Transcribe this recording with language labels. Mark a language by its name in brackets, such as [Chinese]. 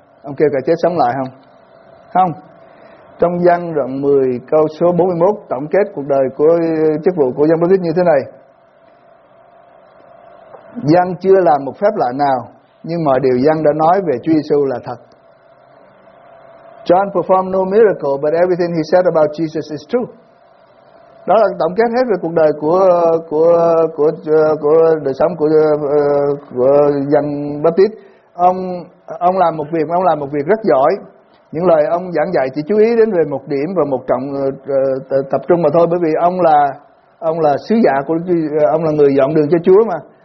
[Vietnamese] Ông kêu cả chết sống lại không? Không. Trong Giăng đoạn 10 câu số 41 tổng kết cuộc đời của chức vụ của Giăng Báp-tít như thế này. Giăng chưa làm một phép lạ nào, nhưng mọi điều Giăng đã nói về Chúa Giê-xu là thật. [English] John performed no miracle, but everything he said about Jesus is true. [Vietnamese] Đó là tổng kết hết về cuộc đời của đời sống của Giăng Báp-tít. Ông làm một việc, ông làm một việc rất giỏi. Những lời ông giảng dạy chỉ chú ý đến về một điểm và một trọng tập trung mà thôi, bởi vì ông là sứ giả của ông, là người dọn đường cho Chúa mà.